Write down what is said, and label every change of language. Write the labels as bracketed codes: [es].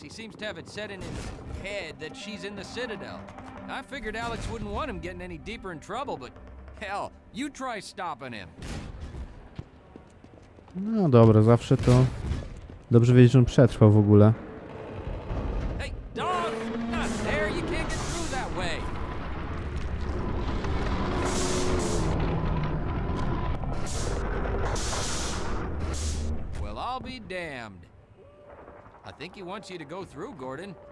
[en] He seems to have it set in his head that she's in the Citadel. I figured Alex wouldn't want him getting any deeper in trouble, but hell, you try stopping him. [pl] No dobra, zawsze to dobrze wiedzieć, że on przetrwał w ogóle. [en] Hey, dog! Not there! You can't get through that way! Well, I'll be damned. I think he wants you to go through, Gordon.